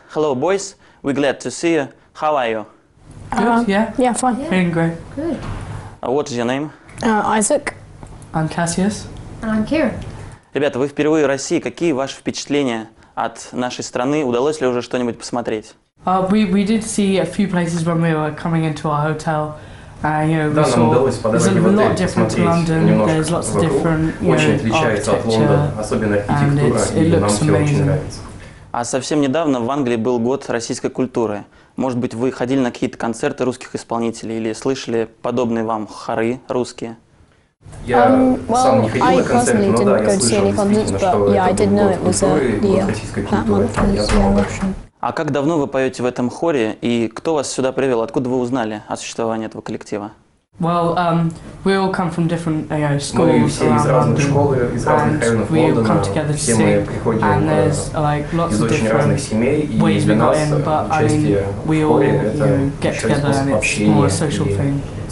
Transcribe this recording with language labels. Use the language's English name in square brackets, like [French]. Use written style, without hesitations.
[English] Hello, boys. We're glad to see you. How are you? Good, yeah. Yeah, fine. Yeah. Feeling great. Good. What is your name? Isaac. I'm Cassius. And I'm Kieran. [Russian] Ребята, вы впервые в России. Какие ваши впечатления от нашей страны? Удалось ли уже что-нибудь посмотреть? [English] We did see a few places when we were coming into our hotel. [Russian] Да, нам удалось подойти в отель, посмотреть немножко вокруг. Очень отличается от Лондона, особенно архитектура, и нам все очень нравится. А совсем недавно в Англии был год российской культуры. Может быть, вы ходили на какие-то концерты русских исполнителей или слышали подобные вам хоры русские? Я сам не ходил на концерты, но да, я слышал действительно, что это был год российской культуры, я знал вообще. А как давно вы поете в этом хоре, и кто вас сюда привел? Откуда вы узнали о существовании этого коллектива? [English] Well, we all come from different, you know, schools. [Russian] Мы все из разных школ, из разных районов Лондона. [English] We come together to sing, and there's like lots of different ways we got in, but I mean, we all, you know, get together, and it's more a social thing.